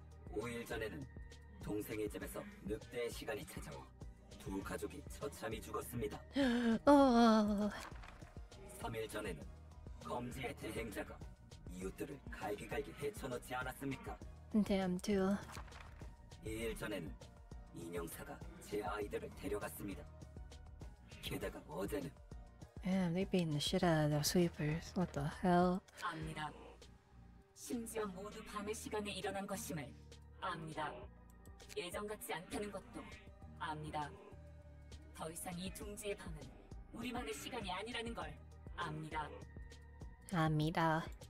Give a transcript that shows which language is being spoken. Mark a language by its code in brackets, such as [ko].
[ko] 5일 전에는 동생의 집에서 늑대의 시간이 찾아와 두 가족이 처참히 죽었습니다. 3일 전에는 검지의 대행자가 이웃들을 갈기갈기 헤쳐놓지 않았습니까? [en] Damn too. [ko] 2일 전에는 인형사가 제 아이들을 데려갔습니다. 게다가 어제는 [en] Damn, they beat the shit out of their sweepers. What the hell? [ko] 압니다. 심지어 모두 밤의 시간에 일어난 것임을 압니다. 예전 같지 않다는 것도 압니다. 더 이상 이 둥지의 밤은 우리만의 시간이 아니라는 걸 압니다. 압니다.